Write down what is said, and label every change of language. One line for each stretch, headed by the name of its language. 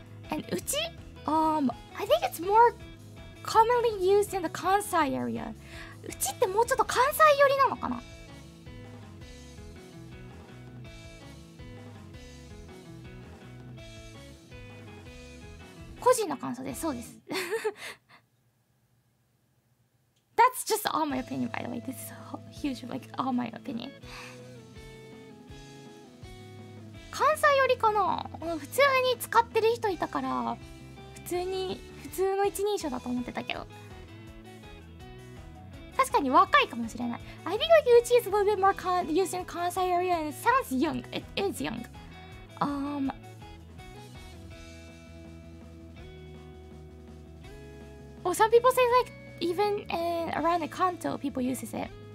English: And うち I think it's more commonly used in the 関西 area。
Japanese: うちってもうちょっと関西寄りなのかな。個人の感想です、そうです。
English: That's just all my opinion, by the way. This is huge, like all my opinion.
Japanese: 関西寄りかな。普通に使ってる人いたから、普通の一人称だと思ってたけど。確かに若いかもしれない。
English: I think like Uchi is a little bit more used in Kansai area and it sounds young. It is young. Well, some people say like even in, around the Kanto, people uses it.